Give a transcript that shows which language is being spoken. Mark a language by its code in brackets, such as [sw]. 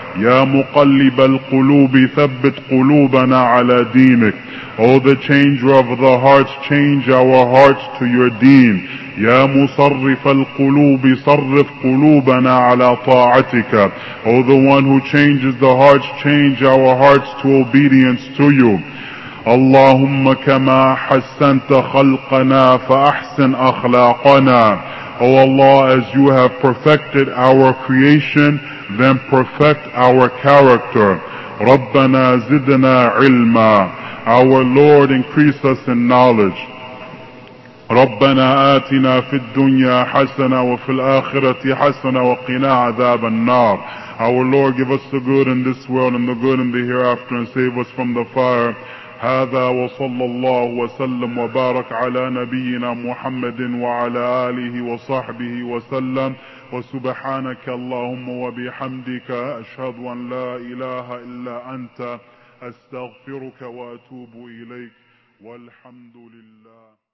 [ar] Ya muqallib al-qulubi, thabbit qulubana ala deenik. [en] O the changer of the hearts, change our hearts to your deen. [ar] Ya musarrif al-qulubi, sarrif qulubana ala ta'atika. [en] O the one who changes the hearts, change our hearts to obedience to you. [ar] اللهم كما حسنت خلقنا فأحسن أخلاقنا. [en] Oh Allah, as you have perfected our creation, then perfect our character. [ar] ربنا زدنا علما. [en] Our Lord, increase us in knowledge. [ar] ربنا آتنا في الدنيا حسنة وفي الآخرة حسنة وقنا عذاب النار. [en] Our Lord, give us the good in this world and the good in the hereafter, and save us from the fire. [ar] هذا وصلى الله وسلم وبارك على نبينا محمد وعلى آله وصحبه وسلم. وسبحانك اللهم وبحمدك، أشهد أن لا إله إلا أنت، أستغفرك وأتوب إليك، والحمد لله.